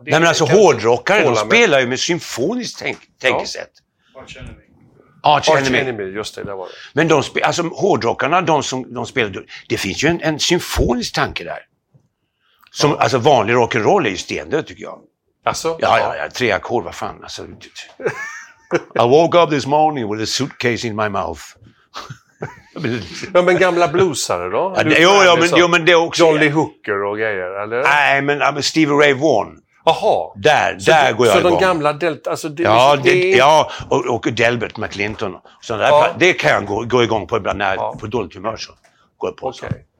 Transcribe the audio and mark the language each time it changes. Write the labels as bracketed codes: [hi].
[sv] Nej, men alltså hårdrockare, de spelar med... ju med symfoniskt tänkesätt. Arch Enemy, just det. Där var det. Men de alltså hårdrockarna, de som de spelar, det finns ju en symfonisk tanke där. Som, ja. Alltså vanlig rock and roll är ju stendöd, tycker jag. Alltså? Ja. Tre ackord, vad fan. Alltså... [en] I woke up this morning with a suitcase in my mouth. [sv] Ja, men gamla bluesare då? Men det är också... Jolly Hooker och grejer, eller? Nej, men Stevie Ray Vaughan. Jaha. Där går jag så igång. Så de gamla Delta... Alltså, och Delbert McClinton. Så där, det kan jag gå igång på ibland när på dåligt humör så går jag på. Okay. Så.